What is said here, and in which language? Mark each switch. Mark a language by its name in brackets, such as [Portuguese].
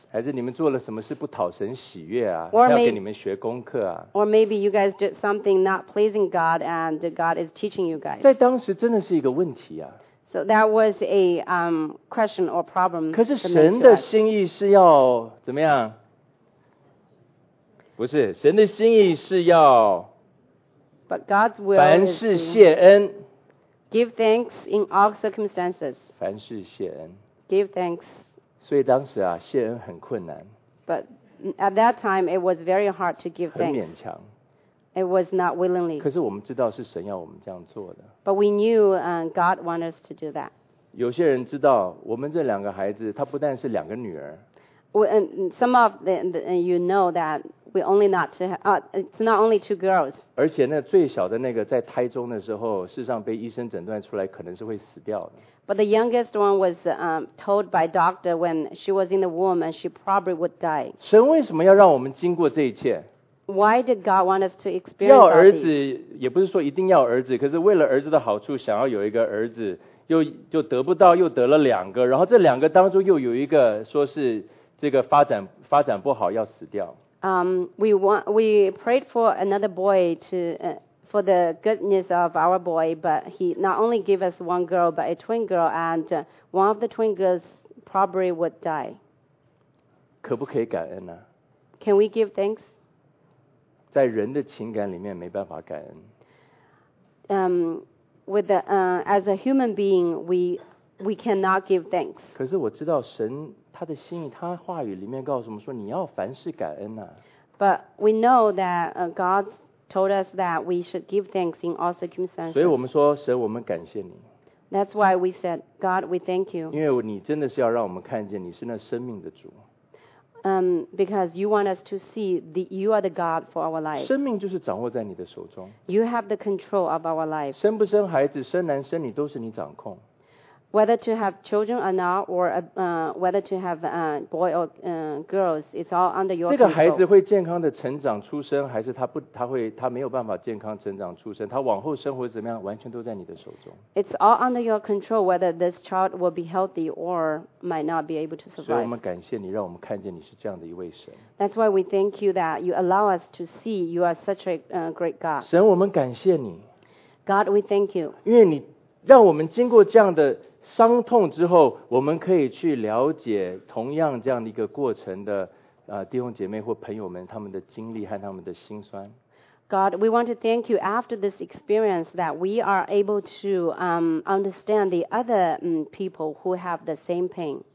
[Chinese] 还是你们做了什么事不讨神喜悦啊？要给你们学功课啊 [English] ？Or maybe you guys did something not pleasing God and God is teaching you guys. [Chinese] 在当时真的是一个问题啊。 [English] So that was a question or problem. [Chinese] 可是神的心意是要怎么样？不是，神的心意是要。 [English] But God's will. [Chinese] 凡事谢恩。 [English] Give thanks in all circumstances. [Chinese] 凡事谢恩。 [English] Give thanks. [Chinese] 所以当时啊，谢恩很困难。 [English] But at that time, it was very hard to give thanks. [Chinese] 很勉强。 [English] It was not willingly. [Chinese] 可是我们知道是神要我们这样做的。 [English] But we knew God wanted us to do that. [Chinese] 有些人知道我们这两个孩子，他不但是两个女儿。 [English] Some of you know that we only not to have, it's not only two girls. [Chinese] 而且那最小的那个在胎中的时候，事实上被医生诊断出来可能是会死掉的。 [English] But the youngest one was told by doctor when she was in the womb and she probably would die. [Chinese] 神为什么要让我们经过这一切？ [English] Why did God want us to experience that? [Chinese] 要儿子也不是说一定要儿子，可是为了儿子的好处，想要有一个儿子，又得不到，又得了两个，然后这两个当中又有一个说是这个发展不好要死掉。 [English] We prayed for another boy for the goodness of our boy, but he not only gave us one girl, but a twin girl, and one of the twin girls probably would die. [Chinese] 可不可以感恩呢？ [English] Can we give thanks? [Chinese] 在人的情感里面没办法感恩。 [English] As a human being, we cannot give thanks. [Chinese] 可是我知道神他的心意，他话语里面告诉我们说，你要凡事感恩啊。 [English] But we know that God told us that we should give thanks in all circumstances. [Chinese] 所以我们说，神，我们感谢你。 [English] That's why we said, God, we thank you. [Chinese] 因为你真的是要让我们看见你是那生命的主。 [English] Because you want us to see that you are the God for our life. [Chinese] 生命就是掌握在你的手中。 [English] You have the control of our life. [Chinese] 生不生孩子，生男生女，都是你掌控。 [English] Whether to have children or not, or whether to have boy or girls, it's all under your control. [Chinese] 这个孩子会健康的成长出生，还是他没有办法健康成长出生，他往后生活怎么样，完全都在你的手中。 [English] It's all under your control whether this child will be healthy or might not be able to survive. [Chinese] 所以我们感谢你，让我们看见你是这样的一位神。 [English] That's why we thank you that you allow us to see you are such a great God. [Chinese] 神，我们感谢你。 [English] God, we thank you. [Chinese] 因为你让我们经过这样的伤痛之后，我们可以去了解同样这样的一个过程的弟兄姐妹或朋友们他们的经历和他们的心酸。 [English] God, we want to thank you after this experience that we are able to understand the other people who have the same pain.